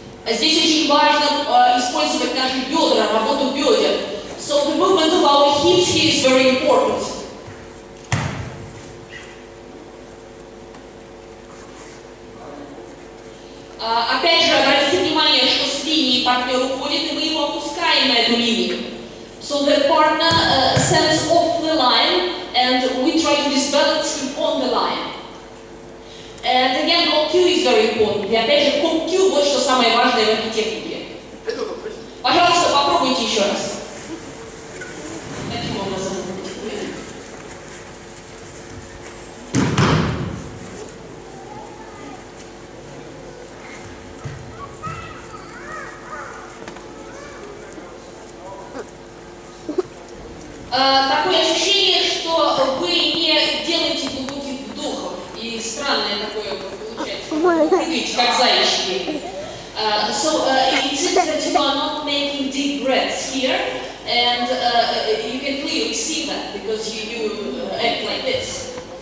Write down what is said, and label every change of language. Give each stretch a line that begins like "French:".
Russian: Здесь очень важно использовать наши бедра, работу бедер.
English: So the movement of our hips here is very important.
Russian: Опять же, обратите внимание, что с линии партнер уходит, и мы его опускаем на эту линию.
English: So the partner sends off the line, and we try to disbalance him on the line. And again, OQ is very important.
Russian: И опять же, OQ – вот что самое важное в этой технике. Пожалуйста, попробуйте еще раз. Таким образом. Такое ощущение, что вы не делаете глубоких вдохов. И странное такое получается. Видите, как заячки.
English: It seems that you are not making deep breaths here. And you can clearly see that, because you act like this.